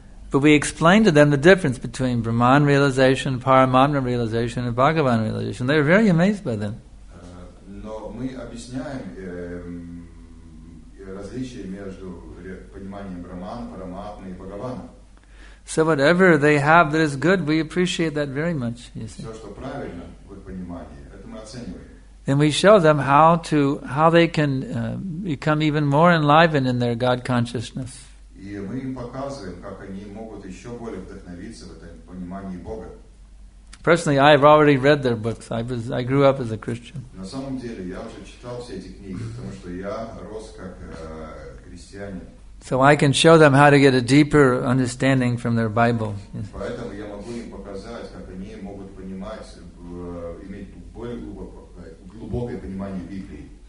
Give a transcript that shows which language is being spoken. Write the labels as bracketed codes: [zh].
[en] But we explain to them the difference between Brahman realization, Paramatma realization, and Bhagavan realization. They were very amazed by them. [ru] Мы объясняем различия между пониманием Брахман, Параматмы и Бхагавана. [en] So whatever they have that is good, we appreciate that very much. [ru] Все, что правильно в их понимании, это мы оцениваем. [en] Then we show them how they can become even more enlivened in their God consciousness. [ru] И мы им показываем, как они могут еще более вдохновиться в этом понимании Бога. [en] Personally, I have already read their books. I grew up as a Christian. [ru] На самом деле, я уже читал все эти книги, потому что я рос как христианин. [en] So I can show them how to get a deeper understanding from their Bible. [ru] Поэтому я могу им показать, как они могут понимать, иметь более глубокое понимание Библии.